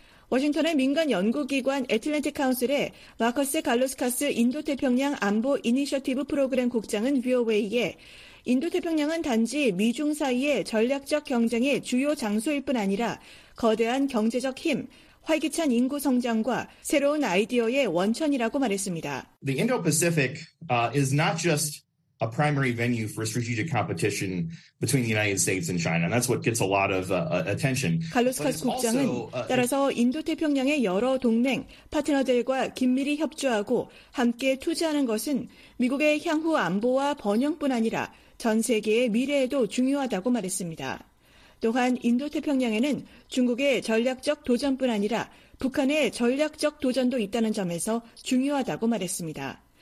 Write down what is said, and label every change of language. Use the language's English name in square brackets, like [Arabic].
[Korean] 워싱턴의 민간 연구기관 애틀랜틱 카운슬의 마커스 갈로스카스 인도태평양 안보 이니셔티브 프로그램 국장은 VOA에 인도태평양은 단지 미중 사이의 전략적 경쟁의 주요 장소일 뿐 아니라 거대한 경제적 힘, 활기찬 인구 성장과 새로운 아이디어의 원천이라고 말했습니다. [English] The Indo-Pacific is not just a primary venue for strategic competition between the United States and China. And that's what gets a lot of attention. [Korean] 갈로스카스 국장은 따라서 인도태평양의 여러 동맹, 파트너들과 긴밀히 협조하고 함께 투자하는 것은 미국의 향후 안보와 번영뿐 아니라 전 세계의 미래에도 중요하다고 말했습니다. 또한 인도태평양에는 중국의 전략적 도전뿐 아니라 북한의 전략적 도전도 있다는 점에서 중요하다고 말했습니다.